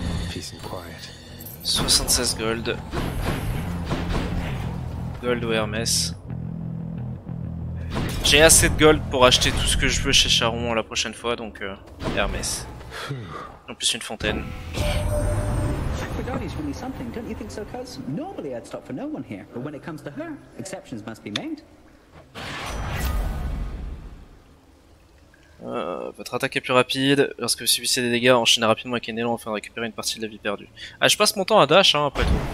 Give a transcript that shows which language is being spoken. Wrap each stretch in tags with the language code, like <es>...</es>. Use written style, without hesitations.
<en>Peace and quiet. 76 gold.</en> <fr>gold ou Hermès. J'ai assez de gold pour acheter tout ce que je veux chez Charon la prochaine fois, donc Hermès. En plus une fontaine.</fr> <en>Aphrodite is really something, don't you think so, cuz? Normally I'd stop for no one here, but when it comes to her, exceptions must be made.</en> <fr>Votre attaque est plus rapide, lorsque vous subissez des dégâts, enchaînez rapidement avec un élan afin de récupérer une partie de la vie perdue. Ah, je passe mon temps à dash, hein, après tout.</fr>